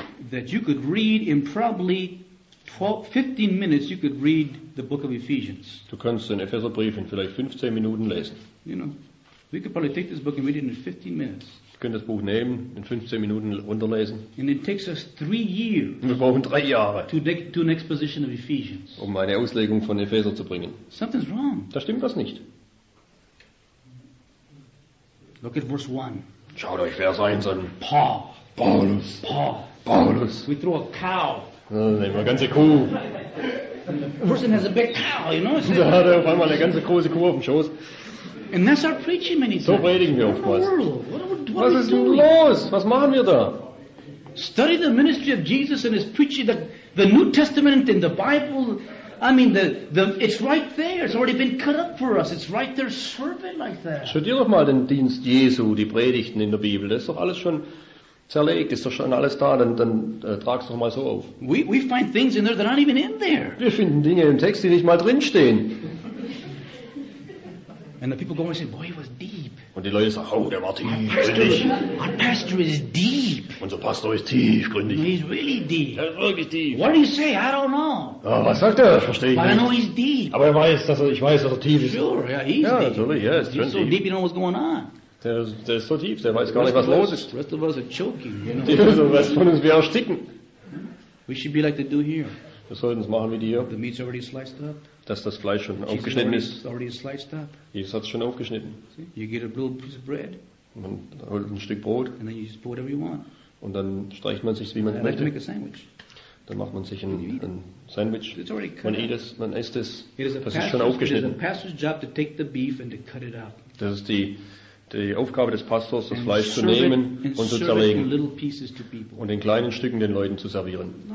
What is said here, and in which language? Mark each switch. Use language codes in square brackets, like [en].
[en] That you could read in probably 15 minutes, you could read the book of Ephesians. [de] Du kannst den Epheserbrief in vielleicht 15 Minuten lesen. [en] You know, we could probably take this book and read it in 15 minutes. [de] Wir können das Buch nehmen, in 15 Minuten runterlesen. [en] And it takes us 3 years. [de] Wir brauchen 3 Jahre. [en] To an exposition of Ephesians. [de] Um eine Auslegung von Epheser zu bringen. [en] Something's wrong. [de] Da stimmt was nicht. [en] Look at verse 1. [de] Schaut euch Vers 1 an. [en] Paul. [de] Paulus. [en] Paul. [de] Paulus. [en] We throw a cow. [de] Da nehmen wir eine ganze Kuh. [en] Person has a big cow, you know. [de] Da hat er auf einmal eine ganze große Kuh auf dem Schoß. [en] And that's our preaching many times. [de] So predigen wir oftmals. [en] What [de] was ist denn los? Was machen wir da? [en] Study the ministry of Jesus and his preaching, the New Testament and the Bible. I mean, it's right there. It's already been cut up for us. It's right there, serving like that. [de] Studier doch mal den Dienst Jesu, die Predigten in der Bibel. Das ist doch alles schon zerlegt. Ist doch schon alles da. Dann trag's doch mal so auf. [en] We find things in there that aren't even in there. [de] Wir finden Dinge im Text, die nicht mal drinstehen. [en] And the people go and say, boy, he was deep. [de] Und die Leute sagen, oh, der war tief, gründig. [en] Our pastor is deep. [de] Unser Pastor ist tief, gründig. [en] He's really deep. [de] Er ist wirklich tief. [en] What do you say? I don't know. [de] Oh, was sagt er? Verstehe ich [en] But [de] nicht. [en] I know he's deep. [de] Aber ich weiß, dass er tief ist. [en] Sure, yeah, he's [de] ja, [en] deep. [de] Ja, natürlich, [en] yeah, [de] ist [en] he's so deep, you know what's going on. [de] Der ist so tief, der weiß gar nicht, was los ist. [en] The rest of us are choking, you know. [de] Die Leute wissen von uns, wir ersticken. [en] We should be like they do here. [de] Wir sollten es machen wie die hier. [en] The meat's already sliced up. [de] Dass das Fleisch schon [en] Jesus [de] aufgeschnitten [en] already [de] ist. Jesus hat es schon aufgeschnitten. [en] You get a little piece of bread. [de] Man holt ein Stück Brot. [en] And then you just put whatever you want. [de] Und dann streicht man sich, wie man möchte. [en] Like to make a sandwich. [de] Dann macht man sich ein Sandwich. [en] It's already cut [de] man isst es. Man isst es. [en] It is [de] das ist schon aufgeschnitten. [en] It is a pastor's job to take the beef and to cut it up. [de] Das ist die Aufgabe des Pastors, das Fleisch zu nehmen und zu zerlegen und in kleinen Stücken den Leuten zu servieren.